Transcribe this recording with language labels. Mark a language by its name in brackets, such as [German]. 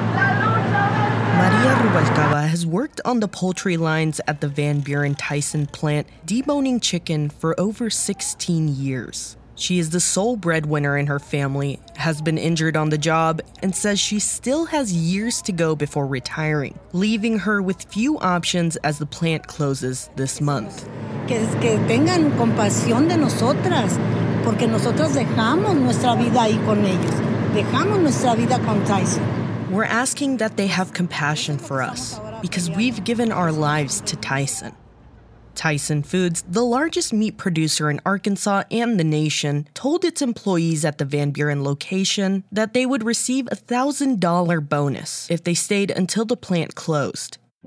[English] Rubalcaba has worked on the poultry lines at the Van Buren Tyson plant, deboning chicken for over 16 years. She is the sole breadwinner in her family, has been injured on the job, and says she still has years to go before retiring, leaving her with few options as the plant closes this month. [Spanish] Que tengan compasión de nosotras, porque nosotros dejamos nuestra vida ahí con ellos. Dejamos nuestra vida con Tyson. [English] We're asking that they have compassion for us, because we've given our lives to Tyson. Tyson Foods, the largest meat producer in Arkansas and the nation, told its employees at the Van Buren location that they would receive a $1,000 bonus if they stayed until the plant closed.